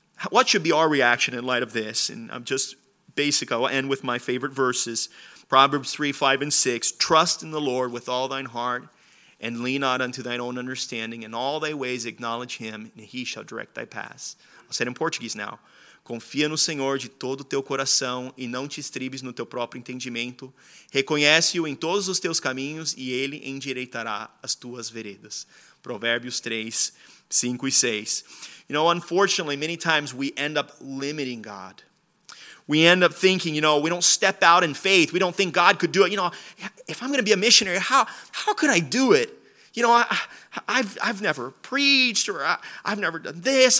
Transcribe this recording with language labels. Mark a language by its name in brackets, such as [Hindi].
[English] What should be our reaction in light of this? And I'm just basically, I'll end with my favorite verses. Proverbs 3, 5, and 6. "Trust in the Lord with all thine heart, and lean not unto thine own understanding. In all thy ways acknowledge him, and he shall direct thy paths." I'll say it in Portuguese now. [Portuguese] "Confia no Senhor de todo o teu coração e não te estribes no teu próprio entendimento. Reconhece-o em todos os teus caminhos e ele endireitará as tuas veredas." Provérbios 3, 5 e 6. [English] You know, unfortunately, many times we end up limiting God. We end up thinking, you know, we don't step out in faith. We don't think God could do it. You know, if I'm going to be a missionary, how could I do it? You know, I've never preached, or I've never done this.